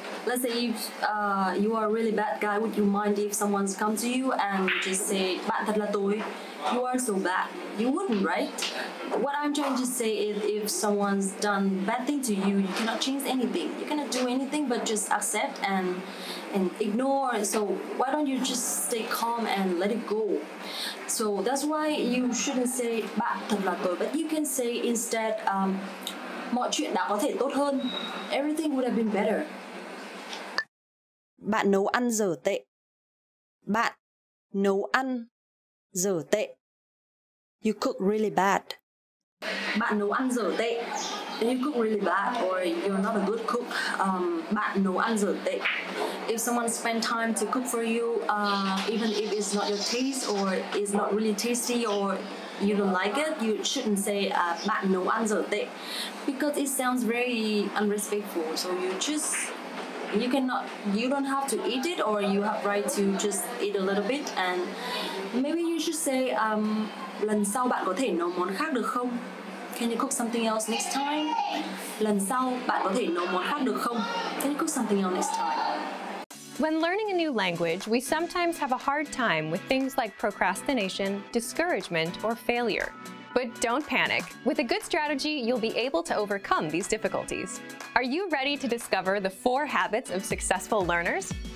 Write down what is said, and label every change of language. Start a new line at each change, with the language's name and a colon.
English: Let's say if you are a really bad guy, would you mind if someone's come to you and just say,
Vietnamese: bạn thật là tồi,
English: you are so bad? You wouldn't, right? What I'm trying to say is if someone's done bad thing to you, you cannot change anything. You cannot do anything but just accept and ignore. So why don't you just stay calm and let it go? So that's why you shouldn't say
Vietnamese: bạn thật là tồi,
English: but you can say instead
Vietnamese: mọi chuyện đã có thể tốt hơn.
English: Everything would have been better.
Vietnamese: Bạn nấu ăn dở tệ. Bạn nấu ăn dở tệ.
English: You cook really bad.
Vietnamese: Bạn nấu ăn dở tệ.
English: You cook really bad or you're not a good cook.
Vietnamese: Bạn nấu ăn dở tệ.
English: If someone spend time to cook for you, even if it's not your taste or it's not really tasty or you don't like it, you shouldn't say
Vietnamese: bạn nấu ăn dở tệ
English: because it sounds very unrespectful. So you just you don't have to eat it or you have right to just eat a little bit and maybe you should say
Vietnamese: lần sau bạn có thể nấu món khác được không?
English: Can you cook something else next time?
Vietnamese: Lần sau bạn có thể nấu món khác được không?
English: Can you cook something else next time? When learning a new language, we sometimes have a hard time with things like procrastination, discouragement, or failure. But don't panic. With a good strategy, you'll be able to overcome these difficulties. Are you ready to discover the four habits of successful learners?